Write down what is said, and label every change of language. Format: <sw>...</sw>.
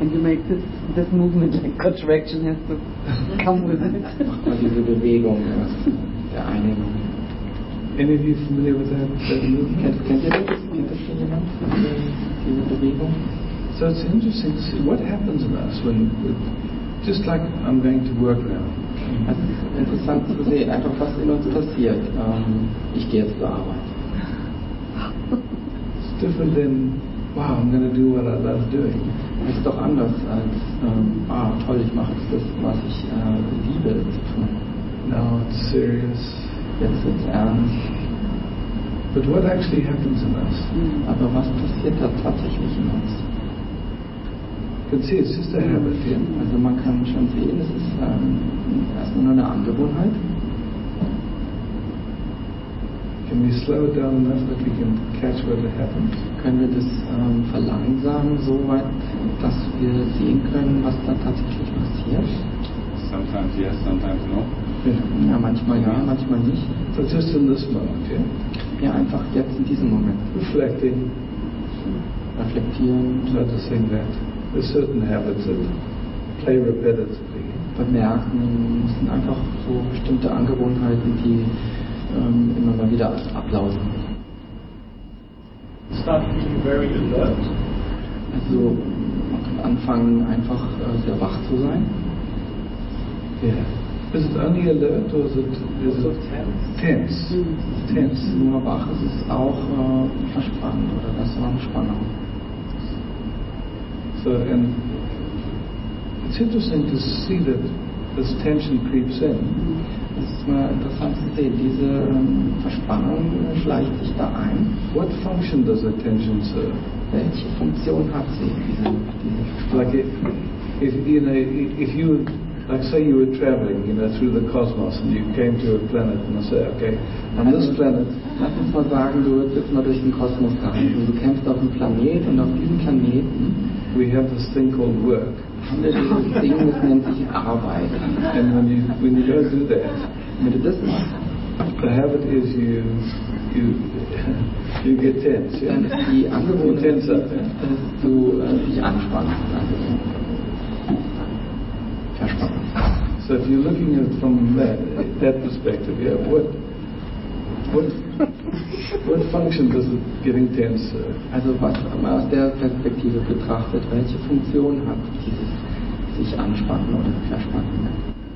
<en>And you make this movement, like contraction has to come with it.</en> <de>Diese Bewegung, der Einigung.</de> <en>Any of you familiar with that movement?</en> <de>Kennt ihr das? Kennt das schon jemand? Diese Bewegung?</de> <en>So it's interesting to see what happens with us when. Just like I'm going to work now.</en> <de>Es ist interessant zu sehen, einfach was in uns passiert. Ich gehe jetzt zur Arbeit.</de> <en>It's different than, wow, I'm going to do what I love doing.</en> <de>Es ist doch anders als, toll, ich mache das, was ich liebe zu tun.</de> <en>Now it's serious.</en> <de>Jetzt ist es ernst.</de> <en>But what actually happens in us?</en> <de>Aber was passiert da tatsächlich in uns?</de> <en>You can see, it's just a habit.</en> <de>Also man kann schon sehen, es ist erstmal nur eine Angewohnheit.</de> <en>Can we slow it down enough that we can catch what happens?</en> <de>Können wir das verlangsamen so weit, dass wir sehen können, was da tatsächlich passiert?</de> <en>Sometimes yes, sometimes no.</en> <de>Ja, manchmal ja, manchmal nicht.</de> <en>So just in this moment, yeah?</en> <de>Ja, einfach jetzt in diesem Moment.</de> <en>Reflecting.</en> <de>Reflektieren.</de> <en>Noticing that. There's certain habits that play repetitively.</en> <de>Bemerken, es sind einfach so bestimmte Angewohnheiten, die immer mal wieder ablaufen.</de> <en>Start being very alert.</en> <de>Also man kann anfangen, einfach sehr wach zu sein.</de> <en>Yeah. Is it only alert or is it tense? Tense. Mm.</en> <de>Nur wach, es ist auch verspannt oder das war eine Spannung.</de> <en>So, and it's interesting to see that this tension creeps in.</en> <de>Es ist mal interessant zu sehen, diese Verspannung schleicht sich da ein.</de> <en>What function does the tension serve?</en> <de>Welche Funktion hat sie, diese Verspannung?</de> <en>Like if you, like say you were traveling, you know, through the cosmos and you came to a planet and I say, okay, on this planet.</en> <de>Lass uns mal sagen, du würdest jetzt mal durch den Kosmos gehen. Du kämpfst auf einem Planet und auf diesem Planeten.</de> <en>We have this thing called work.</en> <de>Haben wir dieses Ding, das nennt sich Arbeit.</de> <en>And when you go do that,</en> <de>wenn du das machst,</de> <en>the habit is you get tense.</en> <de>Dann ist die Angewohnheit, dass du dich anspannst. Verspannst.</de> <en>So if you're looking at it from that perspective, yeah, what function does it getting tense?</en> <de>Also was man aus der Perspektive betrachtet, welche Funktion hat dieses sich anspannen oder verspannen?</de>